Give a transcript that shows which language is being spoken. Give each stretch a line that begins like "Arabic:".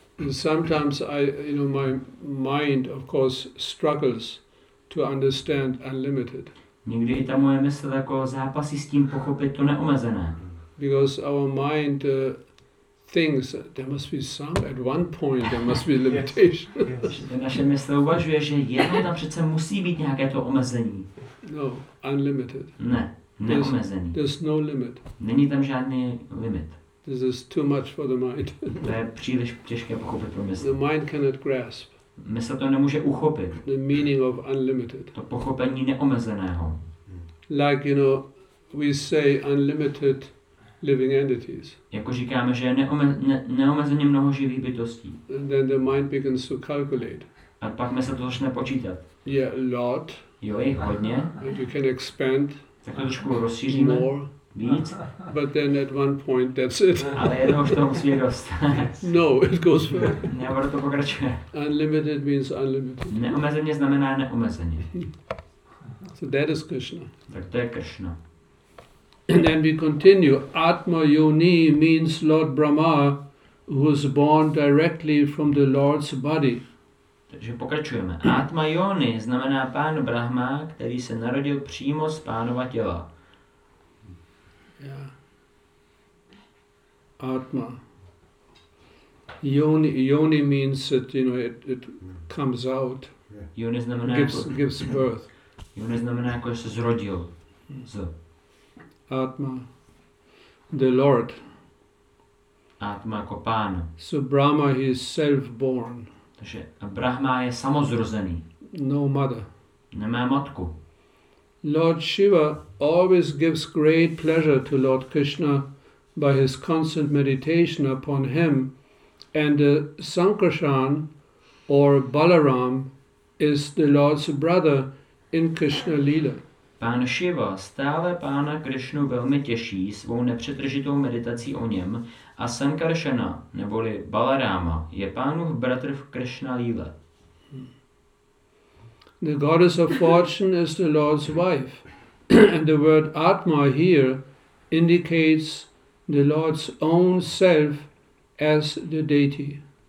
English: Sometimes I, you know, my mind, of course, struggles to understand unlimited.
Czech: Někdy i ta moje mysl jako zápasí s tím pochopit to neomezené.
English: Because our mind thinks there must be some at one point there must be limitation.
Czech: Naše mysl uvažuje, že jedno tam přece musí být nějaké to omezení.
English: No, unlimited.
Czech: Ne, neomezený.
English: There's no limit.
Czech: Není tam žádný limit.
English: This is too much for the mind.
Czech: To je příliš těžké pochopit pro mysl.
English: The mind cannot grasp.
Czech: Mysl to nemůže uchopit.
English: The meaning of unlimited.
Czech: To pochopení neomezeného.
English: Like, you know, we say unlimited living entities.
Czech: Jako říkáme, že je neomezeně mnoho živých bytostí.
English: And then the mind begins to calculate.
Czech: A pak mysl to začne počítat.
English: Yeah, a lot.
Czech: Jo, je hodně.
English: And you can expand.
Czech: Tak to trošku rozšíříme.
English: More.
Czech: Víc.
English: But then at one point that's it.
Czech: Ale jednou v tom musí dost.
English: No, it goes further.
Czech: Ne, ale to pokračuje.
English: Unlimited means unlimited.
Czech: Neomezeně znamená neomezeně.
English: So that is Krishna.
Czech: Tak to je Krishna.
English: And then we continue. Atma Yoni means Lord Brahma, who was born directly from the Lord's body.
Czech: Takže pokračujeme. Atma Yoni znamená Pán Brahma, který se narodil přímo z Pánova těla.
English: Yeah. Atma. Yoni means that, you know, it comes out.
Czech: Yoni znamená
English: gives birth.
Czech: Yoni znamená jako se zrodil. Z.
English: Atma. The Lord.
Czech: Atma jako pán.
English: So Brahma is self-born.
Czech: Takže Brahma je samozrozený.
English: No mother.
Czech: Nemá matku.
English: Lord Shiva always gives great pleasure to Lord Krishna by his constant meditation upon him, and Sankarshan or Balaram is the Lord's brother in Krishna Lila.
Czech: Pán Shiva stále pána Krishnu velmi těší svou nepřetržitou meditací o něm a Sankarshana neboli Balarama je pánův bratr v Krishna Lila.
English: The goddess of fortune is the Lord's wife, and the word Atma here indicates the Lord's own self as the deity.